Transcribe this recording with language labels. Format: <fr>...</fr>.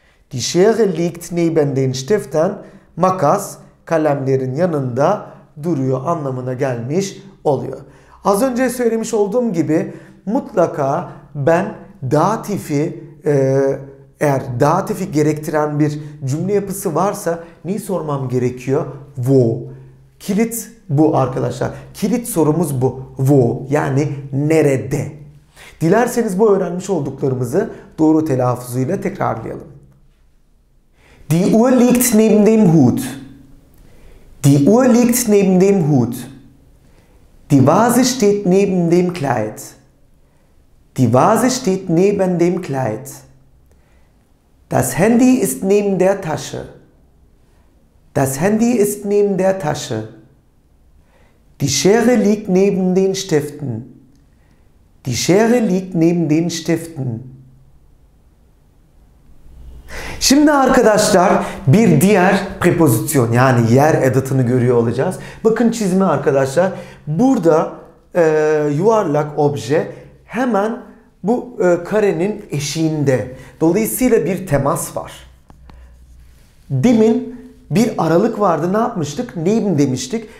<de>Die Schere liegt neben den Stiften.</de> <tr>Makas kalemlerin yanında duruyor anlamına gelmiş oluyor. Az önce söylemiş olduğum gibi mutlaka ben datifi eğer datifi gerektiren bir cümle yapısı varsa neyi sormam gerekiyor? Wo. Kilit bu arkadaşlar. Kilit sorumuz bu. Wo yani nerede? Dilerseniz bu öğrenmiş olduklarımızı doğru telaffuzuyla tekrarlayalım.</tr> <de>Die Uhr liegt neben dem Hut. Die Uhr liegt neben dem Hut. Die Vase steht neben dem Kleid. Die Vase steht neben dem Kleid. Das Handy ist neben der Tasche. Das Handy ist neben der Tasche. Die Schere liegt neben den Stiften. Die Schere liegt neben den Stiften.</de> <tr>Şimdi arkadaşlar bir diğer prepozisyon yani yer edatını görüyor olacağız. Bakın çizimi arkadaşlar. Burada yuvarlak obje hemen bu karenin eşiğinde. Dolayısıyla bir temas var. Demin bir aralık vardı. Ne yapmıştık? Neben demiştik.</tr>